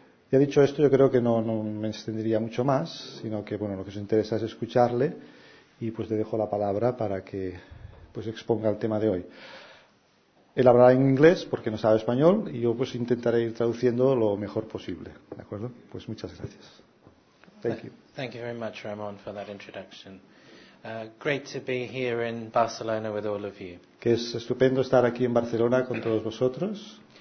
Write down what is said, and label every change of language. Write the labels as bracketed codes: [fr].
[es] Ya dicho esto, yo creo que no me extendería mucho más, sino que bueno, lo que os interesa es escucharle, y pues le dejo la palabra para que pues exponga el tema de hoy. Él hablará en inglés porque no sabe español, y yo pues intentaré ir traduciendo lo mejor posible, ¿de acuerdo? Pues muchas gracias. [en] Thank you. Thank you very much, Ramon, for that introduction. Great to be here in Barcelona with all of you. [es] Que es estupendo estar aquí en Barcelona con todos vosotros.